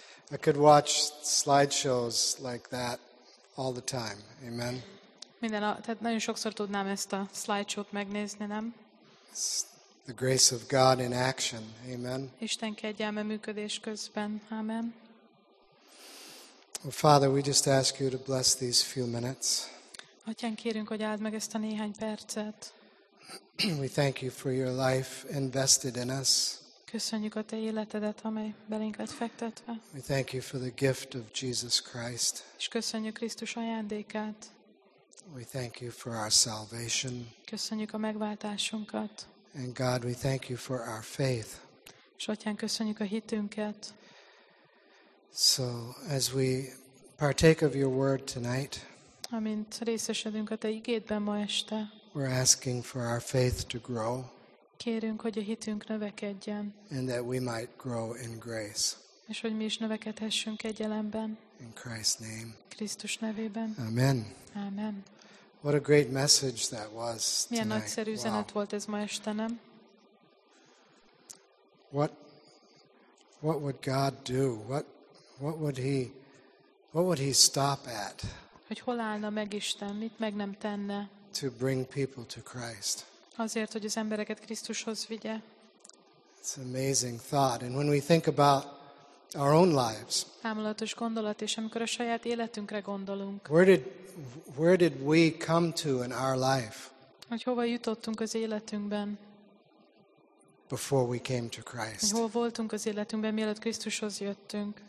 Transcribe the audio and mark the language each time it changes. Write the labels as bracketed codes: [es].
[en] I could watch slideshows like that all the time. Amen. [hu] Minden, tehát nagyon sokszor tudnám ezt a slideshow-t megnézni, nem? [en] It's the grace of God in action. Amen. [hu] Isten kegyelme működés közben. [en] Amen. Well, Father, we just ask you to bless these few minutes. [hu] Atyán, kérünk, hogy áld meg ezt a néhány percet. [en] We thank you for your life invested in us. [hu] Köszönjük a te életedet, amely belénket fektetve. [en] We thank you for the gift of Jesus Christ. [hu] És köszönjük Krisztus ajándékát. [en] We thank you for our salvation. [hu] Köszönjük a megváltásunkat. [en] And God, we thank you for our faith. [hu] És Atyán, köszönjük a hitünket. [en] So as we partake of your word tonight, [hu] amint részesedünk a te igédben ma este, [en] we're asking for our faith to grow, [hu] kérünk, hogy a hitünk növekedjen, [en] and that we might grow in grace, [hu] és hogy mi is növekedhessünk kegyelemben, [en] in Christ's name, [hu] Krisztus nevében. [en] Amen. Amen. What a great message that was tonight. [hu] Milyen nagyszerű üzenet wow. volt ez ma este, nem? [en] What would God do? What would he stop at? [hu] Hogy hol állna meg Isten, mit meg nem tenne. [en] To bring people to Christ. [hu] Azért, hogy az embereket Krisztushoz vigye. [en] It's an amazing thought. And when we think about our own lives. [hu] Támulatos gondolat, és amikor a saját életünkre gondolunk. [en] Where did we come to in our life? [hu] Hogy hova jutottunk az életünkben? [en] Before we came to Christ. [hu] Hol voltunk az életünkben, mielőtt Krisztushoz jöttünk.